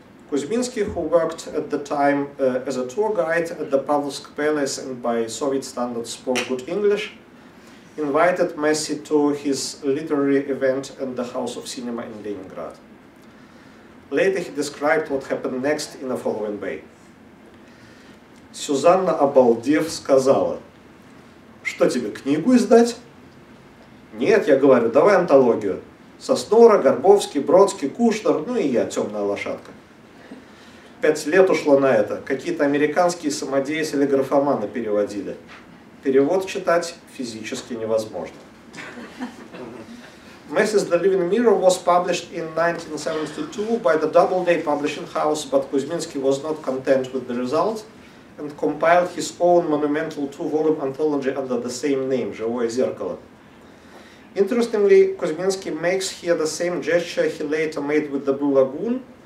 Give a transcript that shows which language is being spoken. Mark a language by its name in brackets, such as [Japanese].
[English] Kuzminsky, who worked at the time as a tour guide at the Pavlovsk Palace and by Soviet standards spoke good English, invited Massie to his literary event at the House of Cinema in Leningrad. Later he described what happened next in the following way. [Russian] Сюзанна обалдев сказала, что тебе, книгу издать? Нет, я говорю, давай антологию. Соснора, Горбовский, Бродский, Кушнер, ну и я, темная лошадка. 5 лет ушло на это. Какие-то американские самодеятели графоманы переводили. Перевод читать физически невозможно. [English] Message the Living Mirror was published in 1972 by the Doubleday Publishing House, but Kuzminsky was not content with the result and compiled his own monumental two-volume anthology under the same name, [Russian] «Живое зеркало». [English] Interestingly, Kuzminsky makes here the same gesture he later made with the Blue Lagoon.